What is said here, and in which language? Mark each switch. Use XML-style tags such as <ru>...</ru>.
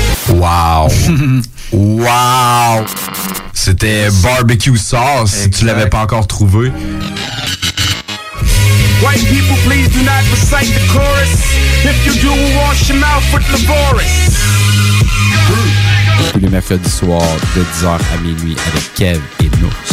<fr>Wow! Wow! C'était barbecue sauce, exact. Si tu l'avais pas encore trouvé.</fr> <en>White people, please do not recite the chorus. If you do, we'll wash your mouth with the forest.</en> <fr>Tous les mercredis soirs, de 10h à minuit, avec Kev et Nours.</fr>